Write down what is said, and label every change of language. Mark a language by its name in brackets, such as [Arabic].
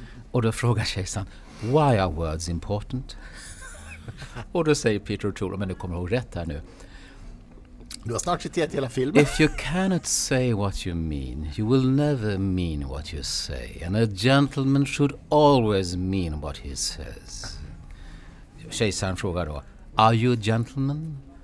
[Swedish] Och då frågar kejsaren, [English] why are words important? [Swedish] Och då säger Peter O'Toole, men du kommer ihåg rätt här nu. Du har snart citerat hela filmen. [English] If you cannot say what you mean, you will never mean what you say. And a gentleman should always mean what he says. [Swedish] Kejsaren frågar då, [English] are you a gentleman?